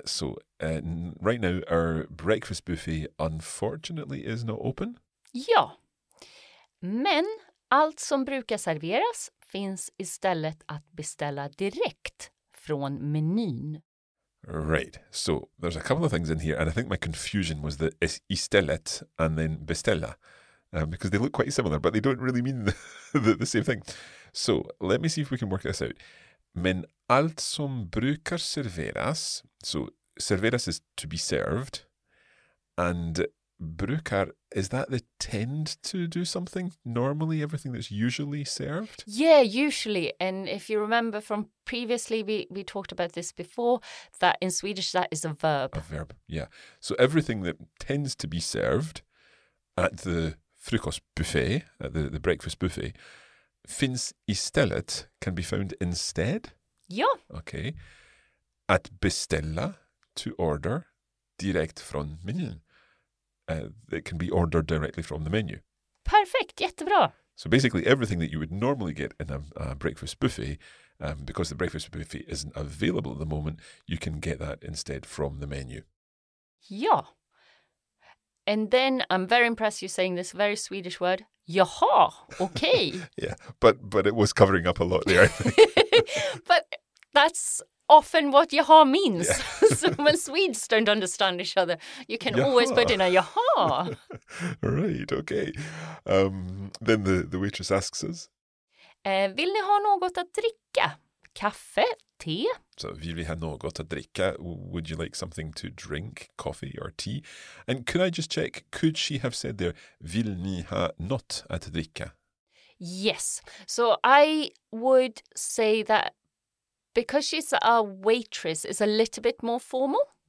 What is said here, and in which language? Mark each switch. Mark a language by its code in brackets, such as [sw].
[en] So right now our breakfast buffet unfortunately is not open. [sv] Ja, men allt som brukar serveras finns istället att beställa direkt från menyn. [en] Right, so there's a couple of things in here, and I think my confusion was that it's istället and then beställa, because they look quite similar, but they don't really mean the same thing. So let me see if we can work this out. [sv] Men allt som brukar serveras, [en] so serveras is to be served, and brukar, is that the tend to do something normally, everything that's usually served? Yeah, usually. And if you remember from previously, we talked about this before, that in Swedish that is a verb. A verb, yeah. So everything that tends to be served at the frukost buffet, at the breakfast buffet, [sv] finns istället [en] can be found instead? [sv] Ja. [en] Okay. [sv] Att beställa, [en] to order, [sv] direkt från menyn. [en] It can be ordered directly from the menu. Perfect, jättebra. So basically everything that you would normally get in a breakfast buffet, because the breakfast buffet isn't available at the moment, you can get that instead from the menu. [sv] Ja. [en] And then I'm very impressed you're saying this very Swedish word. [sv] Jaha, okay. [en] Yeah, but it was covering up a lot there. But that's often what jaha means. Yeah. So when Swedes don't understand each other, you can jaha. Always put in a jaha. Right, okay. Then the waitress asks us. [sv] Vill ni ha något att dricka? Kaffe, te? [en] So, [sv] vill vi ha något att dricka? [en] Would you like something to drink? Coffee or tea? And could I just check, could she have said there, [sv] vill ni ha något att dricka? [en] Yes. So I would say that because she's a waitress, it's a little bit more formal.